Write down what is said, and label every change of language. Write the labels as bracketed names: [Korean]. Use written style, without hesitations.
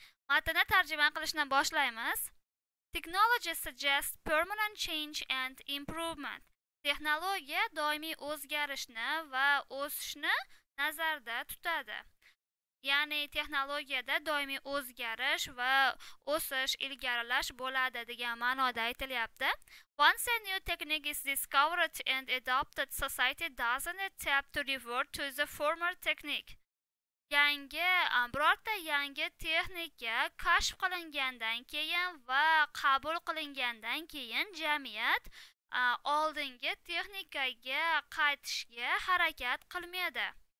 [Uzbek] Matnni tarjima qilishdan boshlaymiz. [English] Technology suggests permanent change and improvement. [Uzbek] Texnologiya doimiy o'zgarishni va o'sishni nazarda tutadi. Ya'ni texnologiyada doimiy o'zgarish va o'sish, ilgarilash bo'ladi degan ma'noda aytilyapti. [English] Once a new technique is discovered and adopted, society doesn't attempt to revert to the former technique. [Uzbek] Yangi texnika kashf qilingandan keyin va qabul qilingandan keyin jamiyat oldingi texnikaga qaytishga harakat qilmaydi.